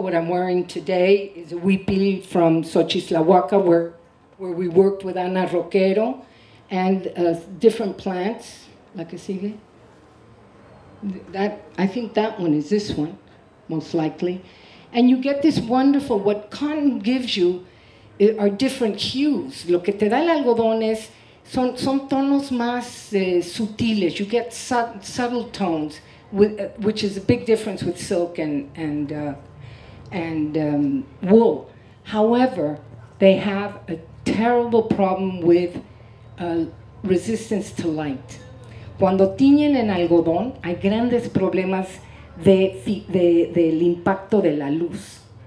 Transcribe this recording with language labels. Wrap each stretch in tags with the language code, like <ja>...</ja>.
<en>What I'm wearing today is a huipil from Xochislahuaca where we worked with Ana Roquero and different plants. La que sigue. I think that one is this one, most likely. And you get this wonderful, what cotton gives you are different hues.</en> <es>Lo que te da el algodón es, son tonos más sutiles.</es> <en>You get subtle tones, which is a big difference with silk and wool. However, they have a terrible problem with resistance to light.</en> <es>Cuando tiñen en algodón, hay grandes problemas del impacto de la luz.</es>